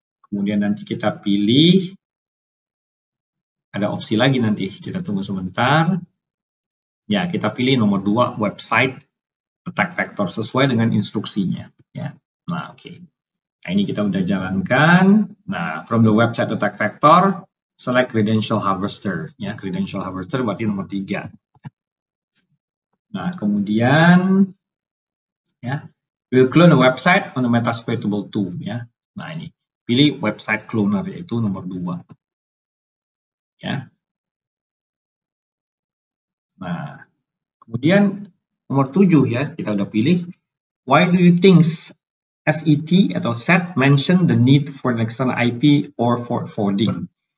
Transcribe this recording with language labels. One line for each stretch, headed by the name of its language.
Indonesian: Kemudian nanti kita pilih ada opsi lagi nanti. Kita tunggu sebentar. Ya, kita pilih nomor dua website attack vector sesuai dengan instruksinya. Ya. Nah, oke. Okay. Nah, ini kita udah jalankan. Nah,
English: from the website attack vector, select credential harvester.
Indonesian: Ya, credential harvester berarti nomor tiga. Nah, kemudian, ya,
English: we'll clone a website on the Metasploit Tool 2.
Indonesian: Ya. Nah, ini. Pilih website cloner, yaitu nomor dua. Ya. Nah, kemudian nomor 7 ya, kita udah pilih.
English: Why do you think SET
Indonesian: atau
English: SET mention the need for an external IP or for forwarding?